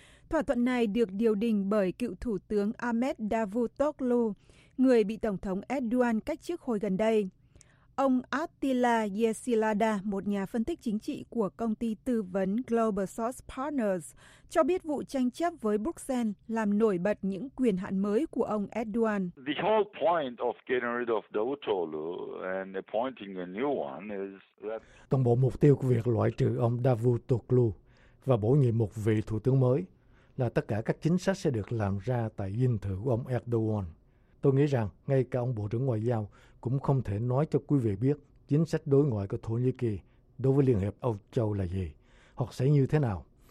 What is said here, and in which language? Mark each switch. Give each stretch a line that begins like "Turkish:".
Vietnamese: Thỏa thuận này được điều đình bởi cựu Thủ tướng Ahmet Davutoğlu, người bị Tổng thống Erdogan cách chức hồi gần đây. Ông Attila Yesilada, một nhà phân tích chính trị của công ty tư vấn Global Source Partners, cho biết vụ tranh chấp với Bruxelles làm nổi bật những quyền hạn mới của ông Erdogan.
English: The whole point of getting rid of Davutoğlu and appointing a new one is that...
Vietnamese: Toàn bộ mục tiêu của việc loại trừ ông Davutoğlu và bổ nhiệm một vị thủ tướng mới là tất cả các chính sách sẽ được làm ra tại dinh thự của ông Erdogan. Tôi nghĩ rằng ngay cả ông Bộ trưởng Ngoại giao cũng không thể nói cho quý vị biết chính sách đối ngoại của Thổ Nhĩ Kỳ đối với Liên hiệp Âu Châu là gì, hoặc sẽ như thế nào.